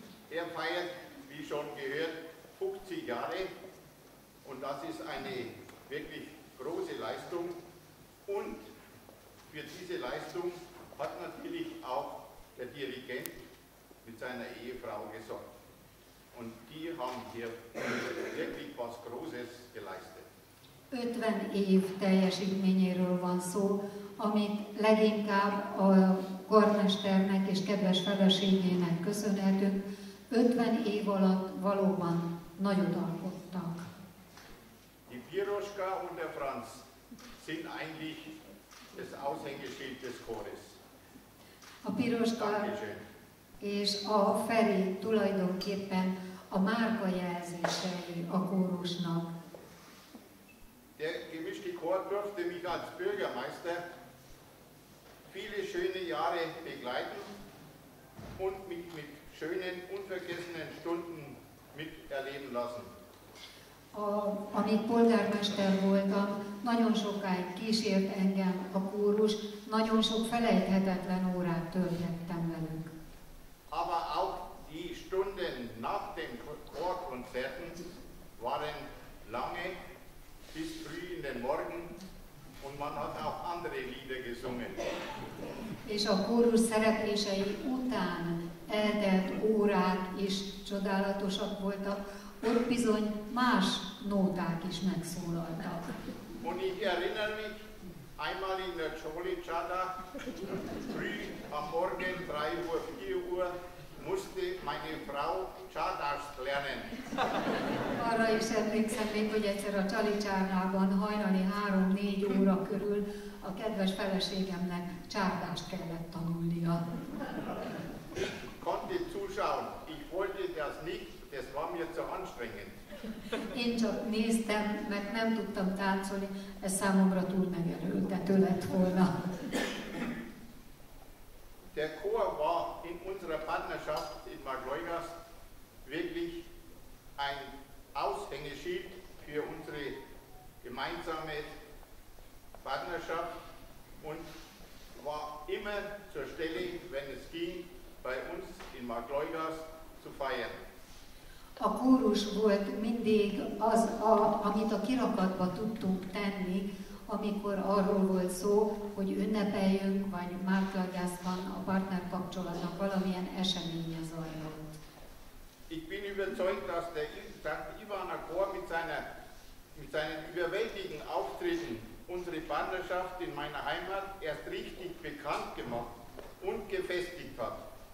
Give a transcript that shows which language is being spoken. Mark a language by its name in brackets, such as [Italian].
[German] Er feiert, wie schon gehört, 50 Jahre, und das ist eine wirklich große Leistung und für diese Leistung hat natürlich auch der Dirigent mit seiner Ehefrau gesorgt. Und die haben hier wirklich was Großes geleistet. [Hungarian] 50 év teljesítményéről van szó, amit leginkább a karmesternek és kedves feleségének köszönhetünk. 50 év alatt valóban nagyot alkottak. [German] Piroschka und der Franz sind eigentlich das Aushängeschild des Chores. [Hungarian] A Piroschka és a Feri tulajdonképpen a márka jelzései a kórusnak. [German] Der gemischte Chor durfte mich als Bürgermeister viele schöne Jahre begleiten und mich mit schönen, unvergessenen Stunden miterleben lassen. [Hungarian] Amíg polgármester voltam, nagyon sokáig kísért engem a kórus, nagyon sok felejthetetlen órát töltöttem velük. [German] Aber auch die Stunden nach den Chorkonzerten waren lange bis früh in den Morgen und man hat auch andere Lieder gesungen. [Hungarian] És a kórus szereplései után eltelt órák is csodálatosak voltak, ott bizony más nóták is megszólaltak. [German] Und ich erinnere mich, einmal in der Csolicsada, früh am Morgen, 3 Uhr, 4 Uhr, musste meine Frau Csadást lernen. [Hungarian] Arra is emlékszem még, hogy egyszer a Csolicsárnában hajnali 3-4 óra körül a kedves feleségemnek Csadást kellett tanulnia. [German] Ich konnte zuschauen, ich wollte das nicht, das war mir zu anstrengend. [Hungarian] Én csak néztem, mert nem tudtam táncolni, ez számomra túl megerőltető lett volna. [German] Der Chor war in unserer Partnerschaft in Magleugas wirklich ein Aushängeschild für unsere gemeinsame Partnerschaft und war immer zur Stelle, wenn es ging, bei uns in Magleugas zu feiern. [Hungarian] A kórus volt mindig az, amit a kirakatba tudtunk tenni, amikor arról volt szó, hogy ünnepeljünk, vagy Márklagászban a partner kapcsolatnak valamilyen eseménye zajlott. [German] Ich bin überzeugt, dass der Ivana Chor mit seinen überwältigenden Auftritten unsere Partnerschaft in meiner Heimat erst richtig bekannt gemacht und gefestigt hat.